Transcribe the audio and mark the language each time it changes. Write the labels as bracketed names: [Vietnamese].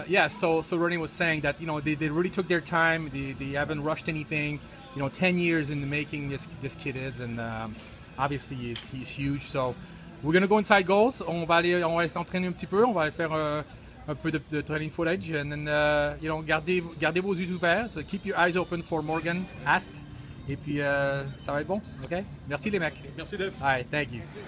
[English] so René was saying that, they really took their time, they haven't rushed anything. 10 years in the making, this kid is, and. Obviously, he's huge, so we're going to go inside goals. [French] On va aller s'entraîner un petit peu. On va aller faire un peu de training footage. [English] And then, [French] gardez vos yeux ouverts. [English] So keep your eyes open for Morgan Ast. [French] Et puis, ça va être bon, OK? Merci, les mecs. Merci, Dave. [English] All right, thank you.